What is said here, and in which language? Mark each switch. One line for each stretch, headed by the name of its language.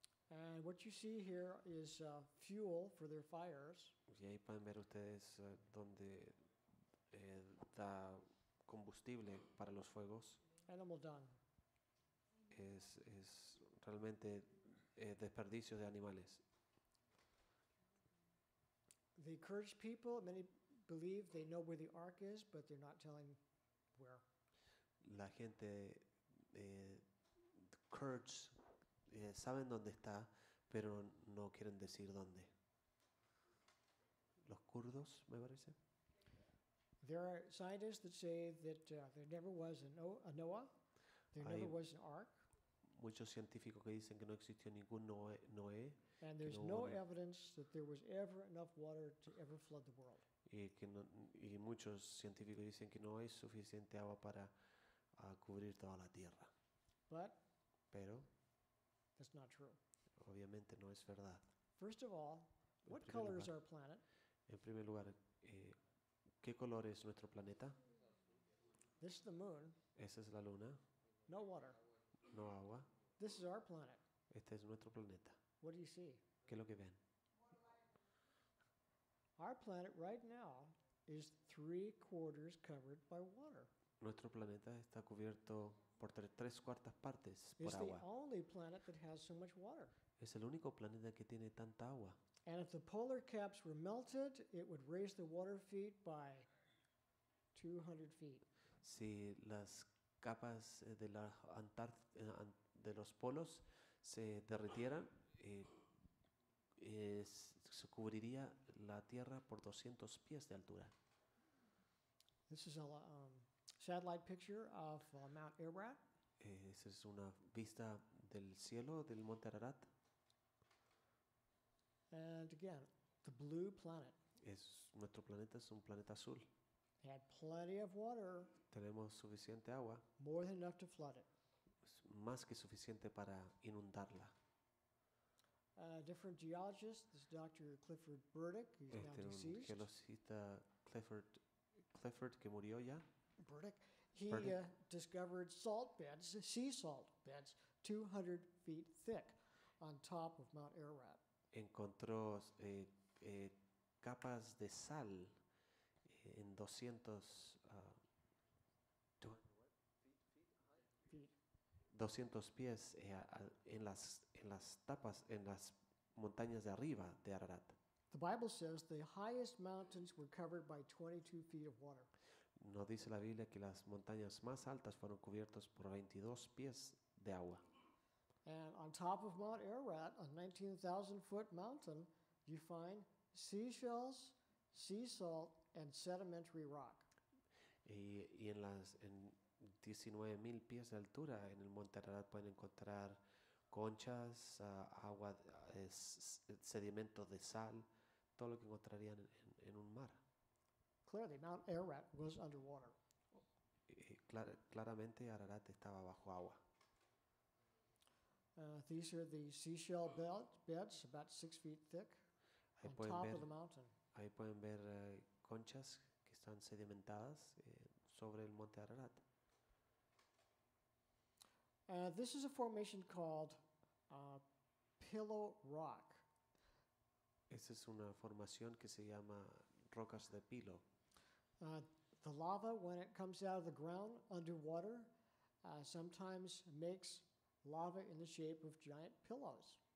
English: And what you see here is fuel for their fires.
Spanish: Y ahí pueden ver ustedes donde da combustible para los fuegos.
English: Animal dung.
Spanish: Es realmente desperdicio de animales.
English: The Kurdish people, many believe they know where the ark is, but they're not telling where.
Spanish: La gente de Kurds saben dónde está, pero no quieren decir dónde. Los kurdos, me parece.
English: There are scientists that say that there never was a Noah. There never was an ark.
Spanish: Muchos científicos que dicen que no existió ningún Noé.
English: And there's no evidence that there was ever enough water to ever flood the world.
Spanish: Y muchos científicos dicen que no hay suficiente agua para cubrir toda la tierra.
English: But
Spanish: pero
English: that's not true.
Spanish: Obviamente no es verdad.
English: First of all, what color is our planet?
Spanish: En primer lugar, ¿qué color es nuestro planeta?
English: This is the moon.
Spanish: Esa es la luna.
English: No water.
Spanish: No agua.
English: This is our planet.
Spanish: Este es nuestro planeta.
English: What do you see?
Spanish: ¿Qué es lo que ven?
English: Our planet right now is 3/4 covered by water.
Spanish: Nuestro planeta está cubierto por 3/4 partes por
English: it's
Spanish: agua.
English: It's the only planet that has so much water.
Spanish: Es el único planeta que tiene tanta agua.
English: And if the polar caps were melted, it would raise the water feet by 200 feet.
Spanish: Si las capas de la Antártida de los polos se derritieran, se cubriría la tierra por 200 pies de altura.
English: This is a satellite picture of Mount Ararat.
Spanish: Esa es una vista del cielo del Monte Ararat.
English: And again, the blue planet.
Spanish: Nuestro planeta es un planeta azul.
English: It had plenty of water.
Spanish: Tenemos suficiente agua.
English: More than enough to flood it.
Spanish: Es más que suficiente para inundarla.
English: Different geologist, this is Dr. Clifford Burdick, who's
Spanish: este
English: now deceased.
Spanish: Un geologista Clifford que murió ya.
English: Burdick. He discovered salt beds, sea salt beds, 200 feet thick on top of Mount Ararat.
Spanish: Encontró capas de sal en 200 200 pies en las tapas, en las montañas de arriba de Ararat.
English: The Bible says the highest mountains were covered by 22 feet of water.
Spanish: No dice la Biblia que las montañas más altas fueron cubiertas por 22 pies de agua.
English: And on top of Mount Ararat, a 19,000 foot mountain, you find seashells, sea salt, and sedimentary rock.
Spanish: Y en las 19,000 pies de altura en el Monte Ararat pueden encontrar conchas, agua, sedimento de sal, todo lo que encontrarían en un mar.
English: Clearly, Mount Ararat was underwater.
Spanish: Claramente, Ararat estaba bajo agua.
English: These are the seashell beds, about 6 feet thick,
Spanish: ahí
English: on top
Spanish: ver,
English: of the mountain.
Spanish: Ahí pueden ver conchas que están sedimentadas sobre el Monte Ararat.
English: This is a formation called Pillow Rock.
Spanish: Esta es una formación que se llama Rocas de Pilo.
English: The lava, when it comes out of the ground underwater, sometimes makes lava in the shape of giant pillows.